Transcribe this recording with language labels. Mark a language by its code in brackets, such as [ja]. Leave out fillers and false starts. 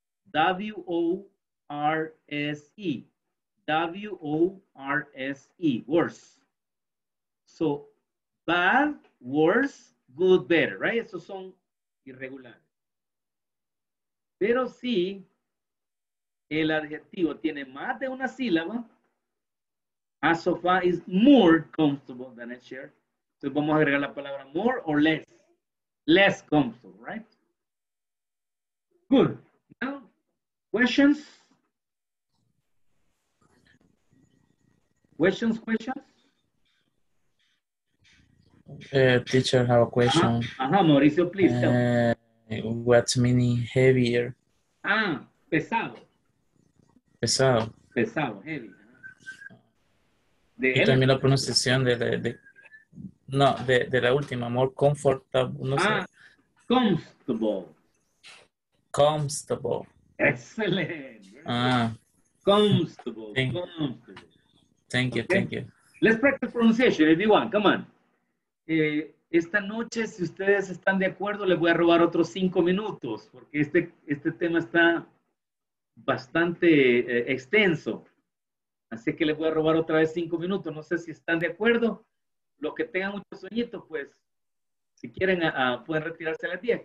[en] W-O-R-S-E. W-O-R-S-E. Worse. So, bad, worse, good, better, right? [es] Esos son irregulares. Pero sí, el adjetivo tiene más de una sílaba. [en] A sofa is more comfortable than a chair. [es] Entonces vamos a agregar la palabra more or less. [en] Less comfortable, right? Good. Now, questions? Questions, questions? Teacher, I have a question. Mauricio, please tell me. What's meaning heavier? [es] Ah, pesado. Pesado. Pesado, heavy. Y también la pronunciación de la última, more comfortable. No sé. [en] Comfortable. Excellent. Comfortable. Thank you. Let's practice pronunciation, if you want, come on. [es] Esta noche, si ustedes están de acuerdo, les voy a robar otros 5 minutos, porque este tema está bastante extenso. Así que les voy a robar otra vez 5 minutos. No sé si están de acuerdo. Los que tengan mucho sueñito, pues, si quieren, pueden retirarse a las 10.